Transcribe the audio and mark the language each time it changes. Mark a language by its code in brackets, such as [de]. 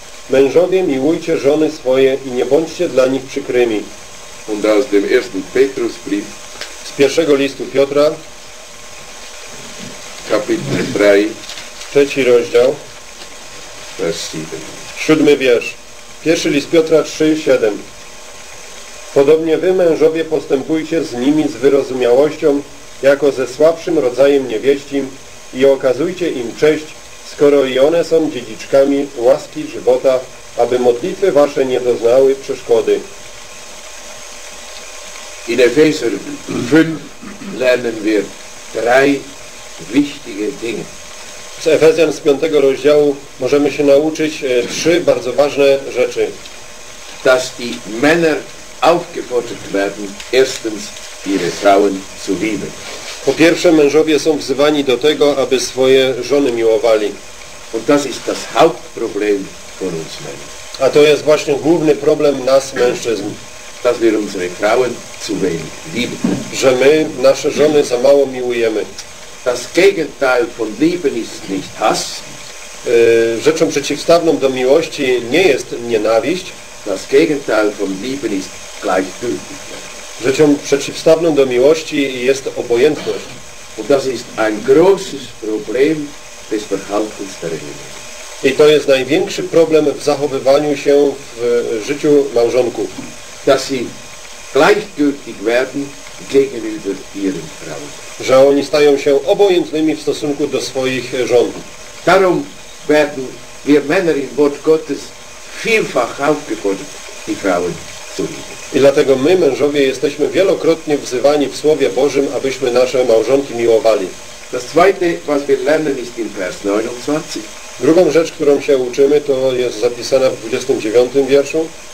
[pl] Mężowie, miłujcie żony swoje i nie bądźcie dla nich przykrymi. [de] Und aus dem ersten Petrusbrief. [pl] Z pierwszego listu Piotra. [de] Kapitel 3. [pl] 3 rozdział. [de] Vers 7. [pl] 7 wiersz. Pierwszy list Piotra 3:7. Podobnie wy, mężowie, postępujcie z nimi z wyrozumiałością, jako ze słabszym rodzajem niewieścim, i okazujcie im cześć, skoro i one są dziedziczkami łaski żywota, aby modlitwy wasze nie doznały przeszkody. [de] In Epheser 5 lernen wir drei wichtige Dinge. [pl] Z Efezjan, z 5 rozdziału, możemy się nauczyć trzy bardzo ważne rzeczy. [de] Dass die Männer aufgefordert werden, erstens ihre Frauen zu lieben. [pl] Po pierwsze, mężowie są wzywani do tego, aby swoje żony miłowali. [de] Und das ist das Hauptproblem von uns Männern. [pl] A to jest właśnie główny problem nas, mężczyzn. [de] Dass wir unsere Frauen zu wenig lieben. [pl] Że my nasze żony za mało miłujemy. [de] Das Gegenteil von Lieben ist nicht Hass. [pl] Rzeczą przeciwstawną do miłości nie jest nienawiść. [de] Das Gegenteil von Lieben ist Gleichgültigkeit. [pl] Rzeczą przeciwstawną do miłości jest obojętność. [de] Das ist ein großes Problem des Verhaltens der Ehe. [pl] I to jest największy problem w zachowywaniu się w życiu małżonków. [de] Dass sie gleichgültig werden gegenüber ihren Frauen. [pl] Że oni stają się obojętnymi w stosunku do swoich żon. [de] Darum werden wir Männer im Wort Gottes vielfach aufgefordert, die Frauen zu lieben. [pl] I dlatego my, mężowie, jesteśmy wielokrotnie wzywani w Słowie Bożym, abyśmy nasze małżonki miłowali. [de] Das zweite, was wir lernen, ist in Vers 29. [pl] Drugą rzecz, którą się uczymy, to jest zapisana w 29 wierszu.